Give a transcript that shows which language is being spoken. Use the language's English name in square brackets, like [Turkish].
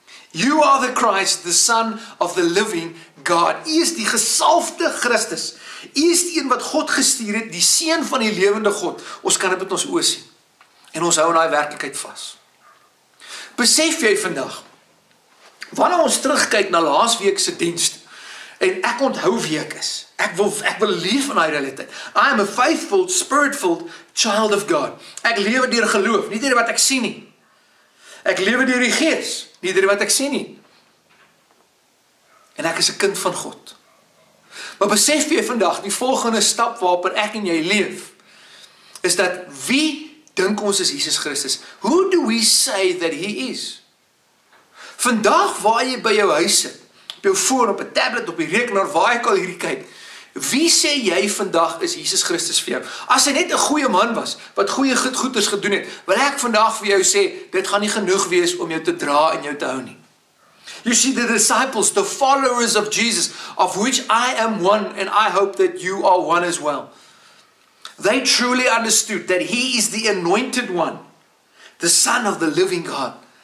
[English] "You are the Christ, the Son of the living God." [Afrikaans] U is die gesalfde Christus. U is die een wat God gestuur het, die Seun van die lewende God. Ons kan dit met ons oë sien. En ons hou in daai werklikheid vas. Besef jy vandag, Wanneer ons terugkijkt naar laas weekse dienst, en ek onthou wie ek is, ek wil leef in die realiteit. [English] I am a faithful, spiritful child of God. [Afrikaans] Ek lewe deur geloof, nie deur wat ek sien nie. Ek lewe deur die gees, nie deur wat ek sien nie. En ek is 'n kind van God. Maar besef jy vandag, die volgende stap waarop ek en jy leef, is dat wie dink ons is Jesus Christus? [English] Who do we say that he is? [Afrikaans] Vandag waar jy by jou huis sit, op jou foon, op 'n tablet, op die rekenaar, waar ek al hierdie kyk, wie sê jy vandag is Jesus Christus vir jou? As hy net 'n goeie man was, wat goeie goeders gedoen het, wil ek vandag vir jou sê, dit gaan nie genoeg wees om jou te dra en jou te hou nie. [English] You see, the disciples, the followers of Jesus, of which I am one, and I hope that you are one as well. They truly understood that he is the anointed one, the son of the living God.